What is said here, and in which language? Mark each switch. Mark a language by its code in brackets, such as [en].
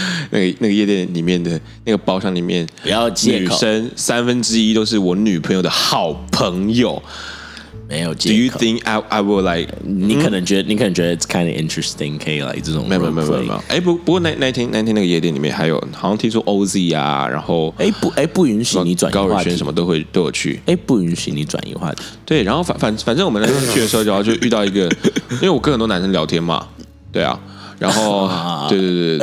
[zh] 那个夜店里面的那个包厢里面，不要借口，女生三分之一都是我女朋友的好朋友，没有借口。 [en] Do you think I will like？ [zh] 你可能觉得 [en] it's kind of interesting， [zh] 可以 like 这种没有。哎，不过那天那个夜店里面还有，好像听说 OZ 啊，然后不允许你转移话题，高尔轩什么都有去。哎，不允许你转移话题。对，然后反正我们那天去的时候，然后就遇到一个，因为我跟很多男生聊天嘛，对啊。然后，对，